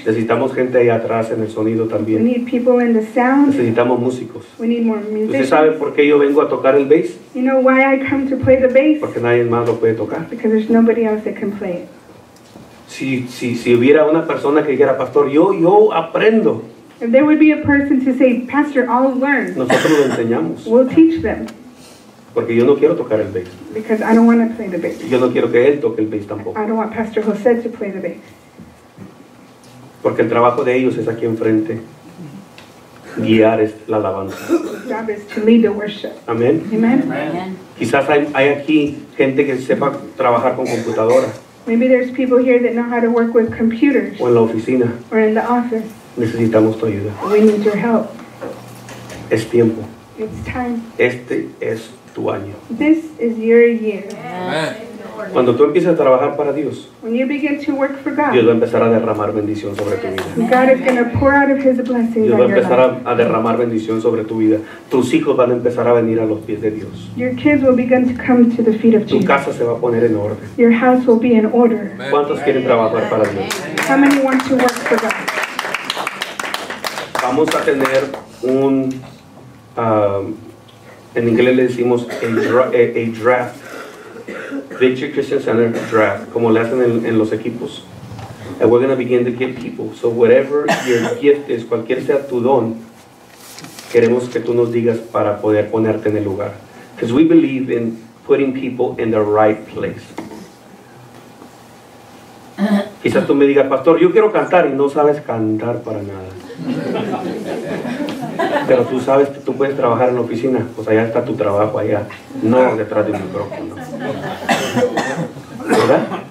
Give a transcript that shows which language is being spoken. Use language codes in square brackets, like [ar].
[es] Necesitamos gente ahí atrás en el sonido también. [en] We need people in the sound. [es] Necesitamos músicos. [en] We need more musicians. [es] ¿Usted sabe por qué yo vengo a tocar el bass? [en] You know why I come to play the bass? [es] Porque nadie más lo puede tocar. [en] Because there's nobody else that can play it. [es] Si hubiera una persona que dijera, pastor, yo aprendo. [en] If there would be a person to say, pastor, I'll learn. [es] Nosotros lo enseñamos. [en] We'll teach them. [es] Porque yo no quiero tocar el bass. [en] Because I don't want to play the bass. [es] Yo no quiero que él toque el bass tampoco. [en] I don't want Pastor Jose to play the bass. [es] Porque el trabajo de ellos es aquí enfrente. Guiar es la alabanza. [en] Job is to lead the worship. [es] Amén. [en] Amen. [es] Quizás hay aquí gente que sepa trabajar con computadora. [en] Maybe there's people here that know how to work with computers. [es] O en la oficina. [en] Or in the office. [es] Necesitamos tu ayuda. [en] We need your help. [es] Es tiempo. [en] It's time. [es] Este es tu año. [en] This is your year. Amen. [es] Cuando tú empiezas a trabajar para Dios, [en] when you begin to work for God, [es] Dios va a empezar a derramar bendición sobre tu vida. [en] God is going to pour out of His blessings. [es] Dios va a empezar a derramar bendición sobre tu vida. Tus hijos van a empezar a venir a los pies de Dios. [en] Your kids will begin to come to the feet of Jesus. [es] Tu casa se va a poner en orden. [en] Your house will be in order. [es] ¿Cuántos quieren trabajar para Dios? [en] How many want to work for God? [es] Vamos a tener un en inglés le decimos a draft. Victory Christian Center draft. Como le hacen en los equipos. [en] And we're going to begin to give people. So whatever your gift is, [es] cualquier sea tu don, queremos que tú nos digas para poder ponerte en el lugar. [en] Because we believe in putting people in the right place. [es] Quizás tú me digas, pastor, yo quiero cantar y no sabes cantar para nada. Pero tú sabes que tú puedes trabajar en la oficina, pues allá está tu trabajo allá, no detrás de un micrófono, ¿verdad?